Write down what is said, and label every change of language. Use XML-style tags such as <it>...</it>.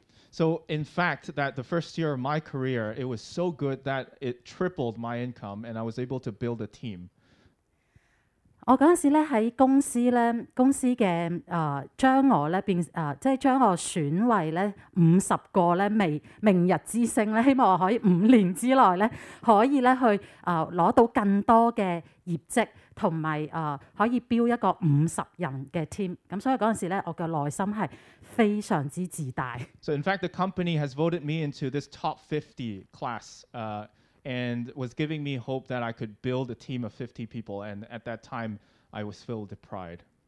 <en>So in fact, that the first year of my career, it was so good that it tripled my income and I was able to build a team.</en> <yue>我嗰陣時咧喺公司咧，公司嘅將我咧變即係將我選為咧50個咧明日之星咧，希望可以5年之內咧可以咧去攞到更多嘅業績，同埋可以標一個50人嘅team。咁所以嗰陣時咧，我嘅內心係非常之自大。So</yue> <en>in fact, the company has voted me into this top 50 class. And was giving me hope that I could build a team of 50 people. And at that time, I was filled with pride.</en>